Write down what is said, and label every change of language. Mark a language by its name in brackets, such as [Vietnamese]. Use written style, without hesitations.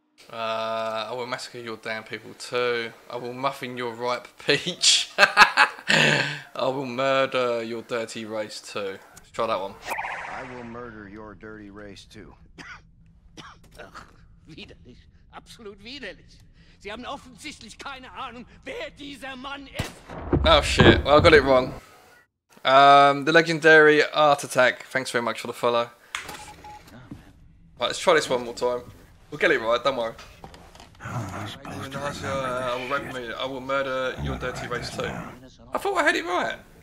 [English] I will massacre your damn people too. I will muffin your ripe peach. I will murder your dirty race too. Let's try that one. I will murder your dirty race too. [German] Ach, widerlich. Absolut widerlich. Sie haben offensichtlich keine Ahnung, wer dieser Mann ist. [English] Oh shit, well, I got it wrong. The legendary Art Attack. Thanks very much for the follow. Right, let's try this one more time. We'll get it right, don't worry. I will murder your dirty race too. I thought I had it right.